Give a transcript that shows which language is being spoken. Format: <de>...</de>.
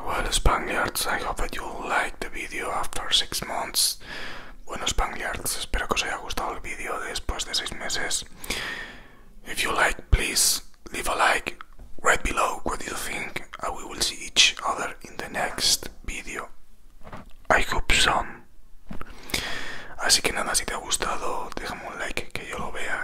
<en>Spaniards, I hope that you liked the video after 6 months.</en> <es>Bueno, Spaniards, espero que os haya gustado el video después de 6 meses.</es> <en>If you like, please leave a like right below. What do you think? And we will see each other in the next video. I hope so.</en> <es>Así que nada, si te ha gustado, déjame un like que yo lo vea.</es>